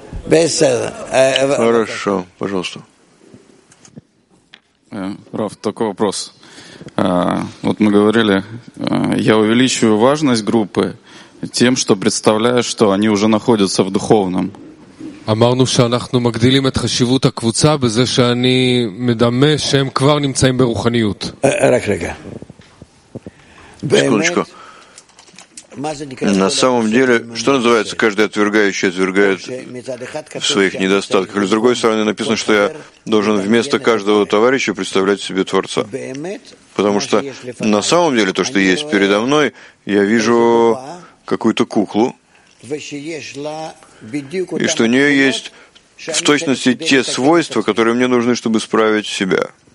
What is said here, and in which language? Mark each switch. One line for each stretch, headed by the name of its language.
Russian: Хорошо, пожалуйста. Раф, такой вопрос. Вот мы говорили, я увеличиваю важность группы тем, что представляю, что они уже находятся в духовном.
Hebrew: אמרנו שאנחנו מגדילים את חשיבות הקבוצה בזה שאני מדמה שהם כבר נמצאים ברוחניות. רק רגע.
Russian: Секундочку. На самом деле, что называется, каждый отвергающий отвергает в своих недостатках. С другой стороны, написано, что я должен вместо каждого товарища представлять себе Творца. Потому что на самом деле то, что есть передо мной, я вижу какую-то куклу, и что у нее есть в точности те свойства, которые мне нужны, чтобы справить себя.